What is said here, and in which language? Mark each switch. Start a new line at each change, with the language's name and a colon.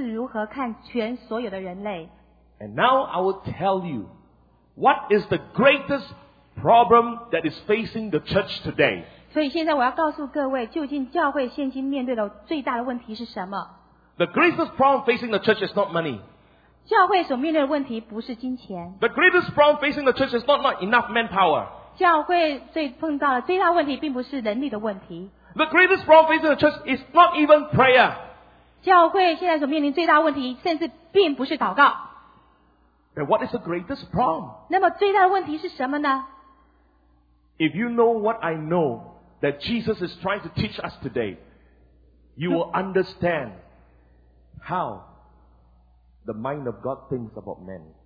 Chinese: 你一看懂了这个关键点，你就清楚明白耶稣是如何看全所有的人类。
English: And now I will tell you what is the greatest problem that is facing the church today.
Chinese: 所以现在我要告诉各位，究竟教会现今面对的最大的问题是什么？
English: The greatest problem facing the church is not money.
Chinese: 教会所面对的问题不是金钱。
English: The greatest problem facing the church is not enough manpower.
Chinese: 教会最碰到的最大问题并不是人力的问题。
English: The greatest problem facing the church is not even prayer.
Chinese: 教会现在所面临最大问题甚至并不是祷告。
English: Then what is the greatest problem?
Chinese: 那么最大的问题是什么呢？
English: If you know what I know that Jesus is trying to teach us today, you will understand how the mind of God thinks about men.